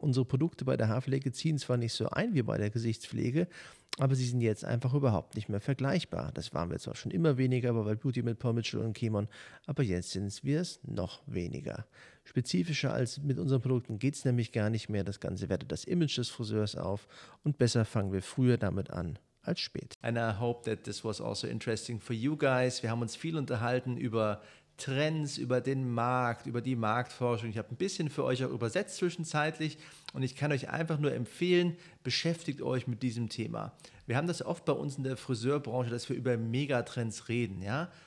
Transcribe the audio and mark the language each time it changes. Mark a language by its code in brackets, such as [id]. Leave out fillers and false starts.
[de] Unsere Produkte bei der Haarpflege ziehen zwar nicht so ein wie bei der Gesichtspflege, aber sie sind jetzt einfach überhaupt nicht mehr vergleichbar. Das waren wir zwar schon immer weniger bei Wild Beauty mit Pomichol und Kemon, aber jetzt sind wir es noch weniger. Spezifischer als mit unseren Produkten geht es nämlich gar nicht mehr. Das Ganze wertet das Image des Friseurs auf, und besser fangen wir früher damit an. [en] And I hope that this was also interesting for you guys. [de] Wir haben uns viel unterhalten über Trends, über den Markt, über die Marktforschung. Ich habe ein bisschen für euch auch übersetzt zwischenzeitlich, und ich kann euch einfach nur empfehlen, beschäftigt euch mit diesem Thema. Wir haben das oft bei uns in der Friseurbranche, dass wir über Megatrends reden, ja?